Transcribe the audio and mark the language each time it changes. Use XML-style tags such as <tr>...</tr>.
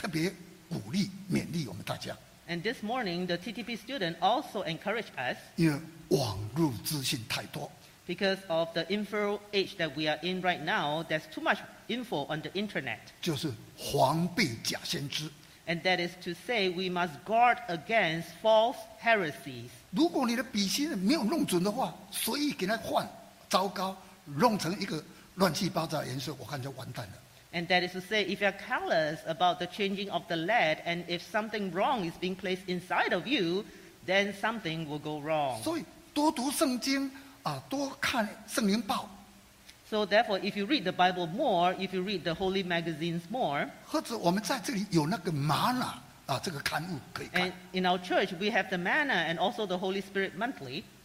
<zh>那早上这个神学生呢，他有特别鼓励勉励我们大家。</zh> <en>And this morning, the TTP student also encouraged us.</en> <zh>因为网络资讯太多。</zh> <en>Because of the info age that we are in right now, there's too much info on the internet.</en> <zh>就是防备假先知。</zh> <en>And that is to say, we must guard against false heresies.</en> <zh>如果你的笔芯没有弄准的话，随意给他换。糟糕，弄成一个乱七八糟的颜色，我看就完蛋了。</zh> <en>And that is to say, if you're careless about the changing of the lead, and if something wrong is being placed inside of you, then something will go wrong.</en> <zh>所以多读圣经，多看圣灵报。</zh> <en>So therefore, if you read the Bible more, if you read the holy magazines more,</en> <zh>或者我们在这里有那个玛拿这个刊物可以看。</zh> <en>And in our church, we have the manna and also the Holy Spirit monthly.</en>